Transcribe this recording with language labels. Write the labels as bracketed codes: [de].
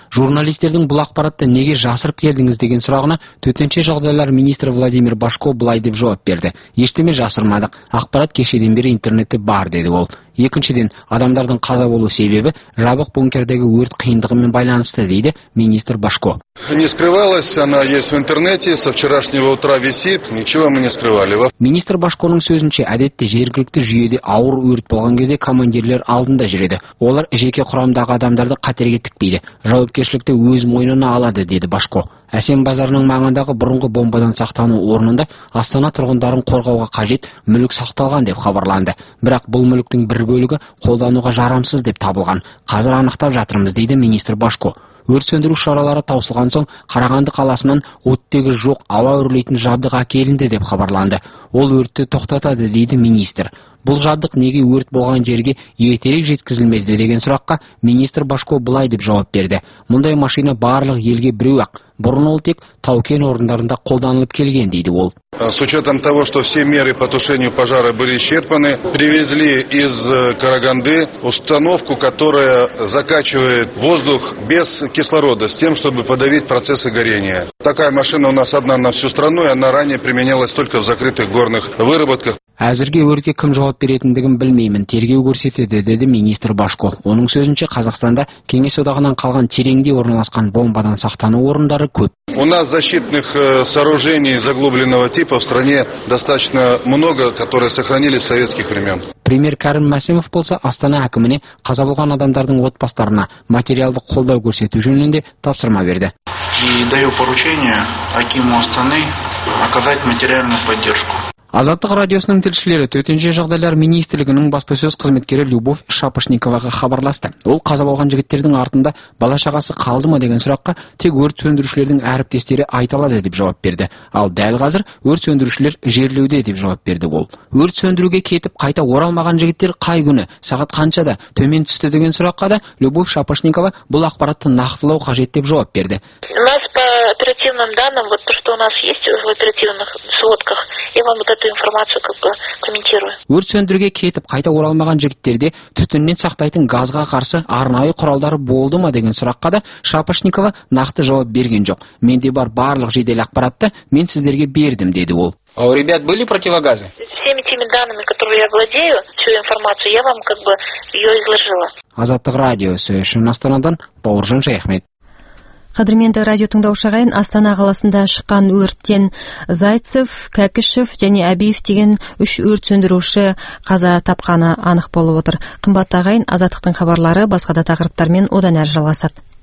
[kk] Журналистердің бұл ақпаратты неге жасырып келдіңіз деген сұрағына төтенше жағдайлар министрі Владимир Башко былай деп жауап берді. Ештеме жасырмадық, ақпарат кешеден бері интернетте бар, деді ол. Екіншіден, адамдардың қаза болу себебі жабық бункердегі өрт қиындығымен байланысты, дейді министр Башко. [ru] Не скрывалась, она есть в интернете, со вчерашнего утра висит, ничего мы не скрывали. [kk] Министр Башконың сөзінше, әдетте жергілікті жүйеде ауыр өрт болған кезде командирлер алдында жүреді. Олар жеке құрамдағы адамдарды қатерге тікпейді. Жауапкершілікті өз мойнына алады, деді Башко. Әсем базарының маңындағы бұрынғы бомбадан сақтану орнында Астана тұрғындарын қорғауға қажет мүлік сақталған деп хабарланды. Бірақ бұл мүліктің бір бөлігі қолдануға жарамсыз деп табылған. Қазір анықтап жатырмыз, дейді министр Башко. Өрт сөндіру шаралары таусылған соң Қарағанды қаласынан оттегі жоқ ауа үрлейтін жабдық әкелінді деп хабарланды. Ол өртті тоқтатады, дейді министр. Бұл жабдық неге өрт болған жерге ертерек жеткізілмеді деген сұраққа министр Башко былай деп жауап берді. Мұндай машина барлық елге біреу ақ. Бұрын ол тек Тау-кен орындарында қолданылып келген, дейді ол. [ru] С учетом того, что все меры по тушению пожара были исчерпаны, привезли из Караганды установку, которая закачивает воздух без кислорода, с тем, чтобы подавить процессы горения. Такая машина у нас одна на всю страну, и она ранее применялась только в закрытых горных выработках. [kk] Әзірге өрте кім жауап беретіндігін білмеймін, тергеу көрсетеді, деді министр Башко. Оның сөзінше Қазақстанда кеңес одағынан қалған тереңде орналасқан бомбадан сақтану орындары көп. [ru] У нас защитных сооружений заглубленного типа в стране достаточно много, которые сохранились с советских времен. [kk] Премьер Кәрім Мәсімов болса, Астана әкіміне қаза болған адамдардың отбастарына материалды қолдау көрсету жөнінде тапсырма берді. [ru] И даю поручение акиму Астаны оказать материальную поддержку. [kk] Азаттық радиосының тілшілері төтенше жағдайлар министрлігінің баспасөз қызметкері Любовь Шапошниковаға хабарласты. Ол қаза болған жігіттердің артында бала-шағасы қалды ма деген сұраққа тек өрт сөндірушілердің әріптестері айта алады деп жауап берді. Ал дәл қазір өрт сөндірушілер жерлеуде деп жауап берді ол. Өрт сөндіруге кетіп қайта оралмаған жігіттер қай күні, сағат қаншада төмен түсті деген сұраққа да Любовь Шапошникова бұл ақпаратты нақтылау қажет деп жауап берді. [ru] Оперативным данным, вот то, что у нас есть в оперативных сводках, я вам вот эту информацию как бы комментирую. [kk] Өрт сөндіруге кетіп қайта оралмаған жігіттерде түтіннен сақтайтын газға қарсы арнайы құралдары болды ма деген сұраққа да Шапошникова нақты жауап берген жоқ. Менде бар барлық жедел ақпаратты мен сіздерге бердім, деді ол. [ru] А у ребят были противогазы? Всеми теми данными, которые я владею, всю информацию я вам как бы ее изложила. [kk] Азаттық радиосы үшін Астанадан Бауыржан Шайхмет. Қадірменді радио тыңдаушыларын Астана қаласында шыққан өрттен Зайцев, Кәкішев және Әбиев деген үш өрт сөндіруші қаза тапқаны анық болып отыр. Қымбатты ағайын, азаттықтың хабарлары басқа да тақырыптармен одан әрі жалғасады.